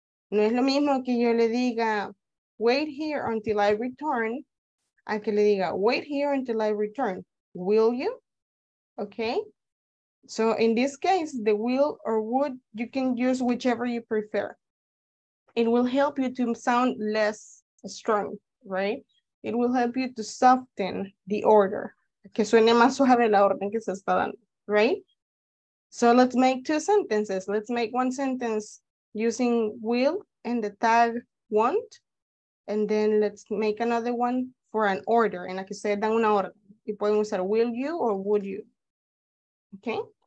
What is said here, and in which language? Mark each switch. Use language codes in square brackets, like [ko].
[es] No es lo mismo que yo le diga, [en] wait here until I return, [es] a que le diga, [en] wait here until I return, will you? Okay? So in this case, the will or would, you can use whichever you prefer. It will help you to sound less strong, right? It will help you to soften the order. [es] Que suene más suave la orden que se está dando, right? [en] So let's make two sentences. Let's make one sentence using will and the tag want. And then let's make another one for an order. [es] En la que se dan una orden. Y pueden usar [en] will you or would you. Okay?